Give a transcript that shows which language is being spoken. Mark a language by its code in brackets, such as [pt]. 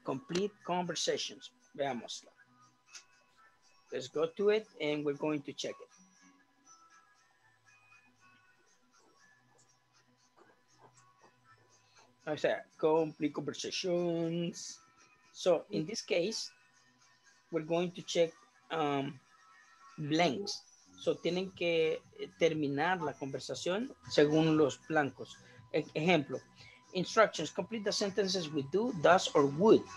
[en] Complete conversations. [es] Veamos. [en] Let's go to it and we're going to check it. I said complete conversations. So in this case, we're going to check blanks. [es] So tienen que terminar la conversación según los blancos. Ejemplo, [en] instructions, complete the sentences with do, does, or would.